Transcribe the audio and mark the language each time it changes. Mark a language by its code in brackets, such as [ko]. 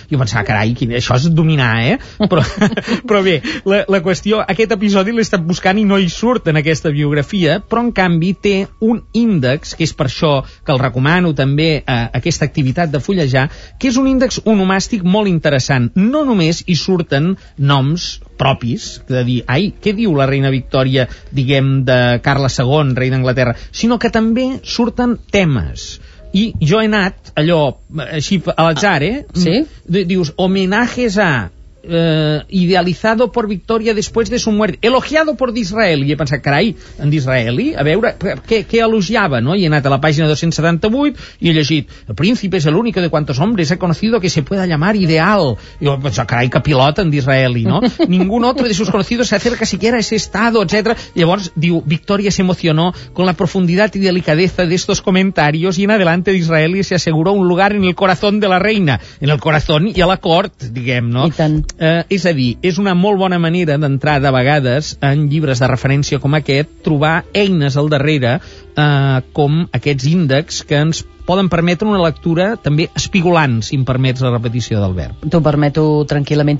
[ca] Jo pensava, carai, això és dominar, Però bé, la qüestió, aquest episodi l'he estat buscant i no hi surt en aquesta biografia, però en canvi té un índex, que és per això que el recomano també aquesta activitat de fullejar, que és un índex onomàstic molt interessant. No només hi surten noms propis, de dir, ai, què diu la reina Victòria, diguem, de Carles II, rei d'Anglaterra, sinó que també surten temes. I jo he anat, allò, així, a l'atzar, Sí? Dius, [es] homenajes a... idealizado por Victoria después de su muerte, elogiado por Disraeli. [ca] I he pensat, carai, en Disraeli? A veure, què elogiava, no? I he anat a la pàgina 278 i he llegit, [es] el príncipe es el único de cuantos hombres ha conocido que se pueda llamar ideal. [ca] I he pensat, carai, que pilota en Disraeli, no? [es] Ningún otro de sus conocidos se acerca siquiera a ese estado, etc. [ca] Llavors, diu, [es] Victoria se emocionó con la profundidad y delicadeza de estos comentarios y en adelante Disraeli se aseguró un lugar en el corazón de la reina. En el corazón y a la cort, [ca] diguem, no? I tant. És a dir, és una molt bona manera d'entrar de vegades en llibres de referència com aquest, trobar eines al darrere com aquests índexs que ens poden permetre una lectura també espigolant, si em permets la repetició del verb. T'ho permeto tranquil·lament.